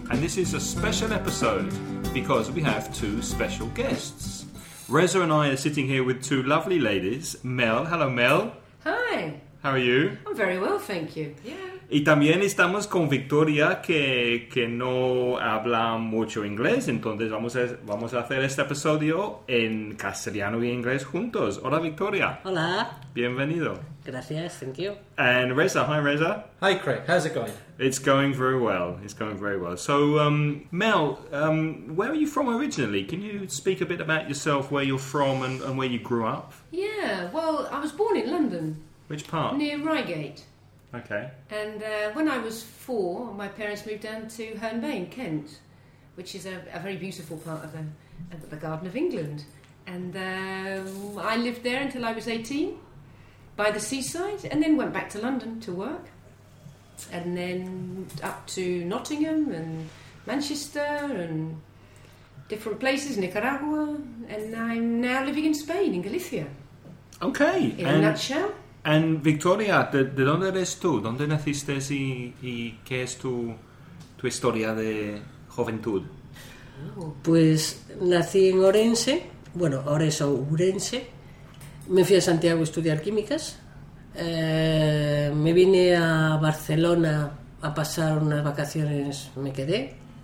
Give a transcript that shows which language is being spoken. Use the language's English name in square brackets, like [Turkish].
[English] And this is a special episode because we have two special guests. Reza and I are sitting here with two lovely ladies, Mel. Hello, Mel. Hi. How are you? I'm very well, thank you. Yeah. [Spanish] Y también estamos con Victoria, que no habla mucho inglés, entonces vamos a hacer este episodio en castellano y inglés juntos. Hola, Victoria. Hola. Bienvenido. Gracias, [English] thank you. And Reza, hi Reza. Hi Craig, how's it going? It's going very well, it's going very well. So, Mel, where are you from originally? Can you speak a bit about yourself, where you're from and where you grew up? Yeah, well, I was born in London. Which part? Near Reigate. Okay. And when I was four, my parents moved down to Herne Bay in Kent, which is a very beautiful part of the Garden of England. And I lived there until I was 18, by the seaside, and then went back to London to work. And then up to Nottingham and Manchester and different places, Nicaragua. And I'm now living in Spain, in Galicia. Okay. In a nutshell. [Spanish] And Victoria, ¿de dónde eres tú? ¿Dónde naciste y qué es tu historia de juventud? Pues nací en Orense, bueno, ahora es Ourense. Me fui a Santiago a estudiar químicas. Me vine a Barcelona a pasar unas vacaciones, me quedé.